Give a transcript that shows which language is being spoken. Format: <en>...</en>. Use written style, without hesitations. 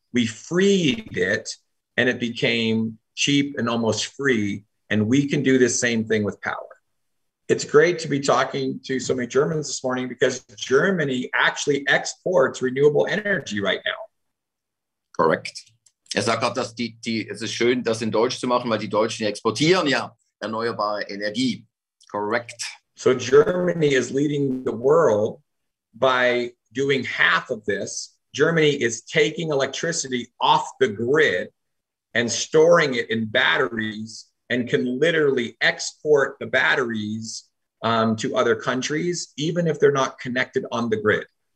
<en>We freed it and it became cheap and almost free. And we can do the same thing with power. It's great to be talking to so many Germans this morning because Germany actually exports renewable energy right now. Correct.</en> <de>Er sagt auch, dass die es ist schön, das in Deutsch zu machen, weil die Deutschen exportieren ja erneuerbare Energie.</de> <en>Correct. So Germany is leading the world by doing half of this. Germany is taking electricity off the grid and storing it in batteries and can literally export the batteries to other countries, even if they're not connected on the grid.</en>